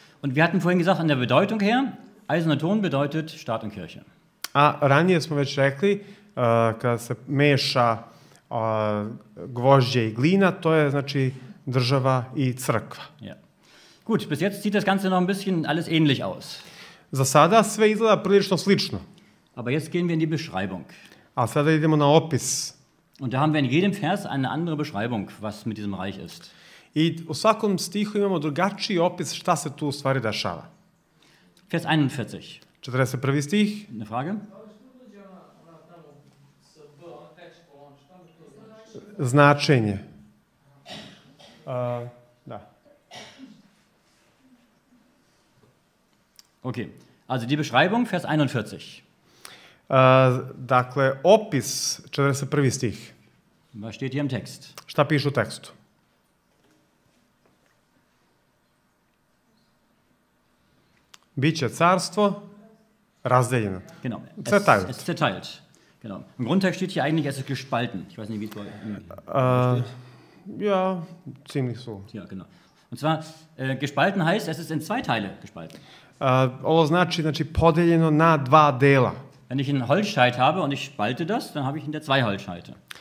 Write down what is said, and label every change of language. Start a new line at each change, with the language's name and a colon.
German: Und wir hatten vorhin gesagt, an der Bedeutung her, Eisen und Ton bedeutet Staat und Kirche.
Serbian: A ranije smo već rekli, kada se meša gvožđe i glina, to je znači država i crkva.
German: Ja. Gut, bis jetzt sieht das Ganze noch ein bisschen alles ähnlich aus.
Serbian: Za sada sve izgleda prilično slično.
German: Aber jetzt gehen wir in die Beschreibung.
Serbian: A sada idemo na opis.
German: Und da haben wir in jedem Vers eine andere Beschreibung, was mit diesem Reich ist.
Serbian: I u svakom stihu imamo drugačiji opis šta se tu u stvari dešava.
German: Vers 41.
Serbian: 41. stih.
German: Eine Frage? Da li studija na tamo
Serbian: značenje. Da.
German: Ok, also die Beschreibung, Vers 41.
Serbian: Dakle, opis, 41. stih.
German: Was steht hier im Text?
Serbian: Šta piše u tekstu? Biće carstvo razdeljeno.
German: Genau. Es zerteilt. Genau. Im Grundtext steht hier eigentlich, es ist gespalten. Ich weiß nicht, wie es steht. Ja, ziemlich so. Ja, genau. Und zwar, gespalten heißt, es ist in zwei Teile gespalten.
Serbian: Ovo znači, znači podeljeno na dva dela.
German: Wenn ich einen Holzscheit habe und ich spalte das, dann habe ich in der zwei Holzscheite.